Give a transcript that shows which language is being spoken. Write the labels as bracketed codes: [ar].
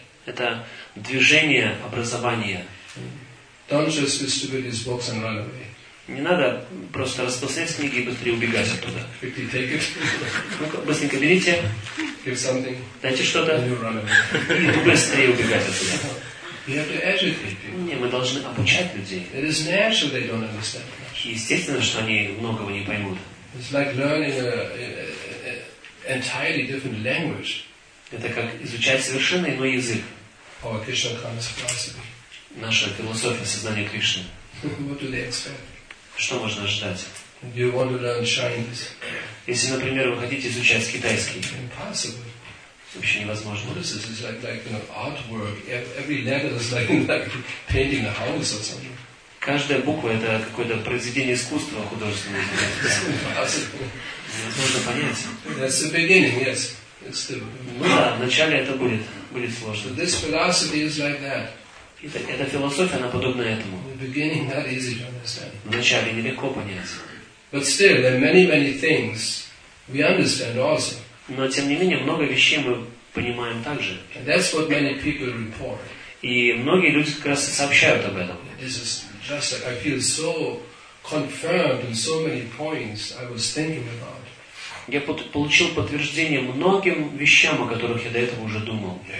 [ru] Это движение образования. [en] Don't just distribute his books and run away. [ru] Не надо просто распространять книги и быстрее убегать оттуда. Быстренько берите, дайте что-то, и быстрее убегать оттуда. [en] You have to educate people. [ru] Не, мы должны обучать людей. [en] It is natural that they don't understand much. [ru] Естественно, что они многого не поймут. [en] It's like learning an entirely different language. [ru] Это как изучать совершенно иной язык. [en] Our Krishna consciousness philosophy. [ru] Наша философия сознания Кришны. [en] What do they expect? [ru] Что можно ожидать? [en] You want to learn Chinese? [ru] Если, например, вы хотите изучать китайский. [en] Impossible. [ru] Вообще невозможно. [en] This is like an artwork. Every letter is like painting a house or something. [ru] Каждая буква это какое-то произведение искусства художественное. Невозможно понять. [en] That's the beginning, yes. It's the. [ru] Ну да, вначале это будет сложно. [en] This philosophy is like that. [ru] Эта философия, она подобна этому. [en] The beginning not easy to understand. [ru] Вначале нелегко понять. [en] But still, there are many, many things we understand also. [ru] Но, тем не менее, много вещей мы понимаем так же. [en] That's what many people report. [ru] И многие люди как раз сообщают об этом. [en] This is just like I feel so confirmed in so many points I was thinking about. [ru] Я получил подтверждение многим вещам, о которых я до этого уже думал.